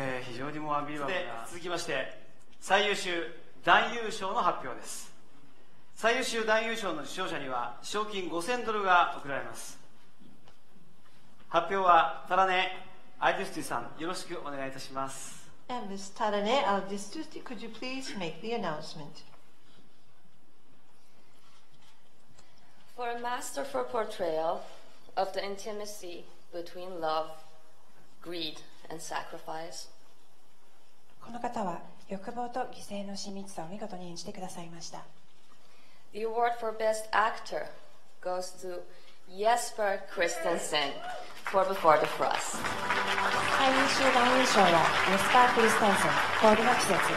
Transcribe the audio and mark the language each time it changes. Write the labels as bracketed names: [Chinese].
[Japanese] 非常にもアンビリバブルな。続きまして最優秀男優賞の発表です。最優秀男優賞の受賞者には賞金5000ドルが贈られます。発表はタラネ・アイデュスティさん、よろしくお願いいたします。 [English] And Ms. Tarane Aldistusti, could you please make the announcement? For a masterful portrayal of the intimacy between love, greed, and sacrifice. [Japanese] この方は欲望と犠牲の親密さを見事に演じてくださいました。 [English] The award for best actor goes to Jesper Christensen. For Before the Frost. [Japanese] 最優秀男優賞はジェスパー・クリステンセン、氷の季節。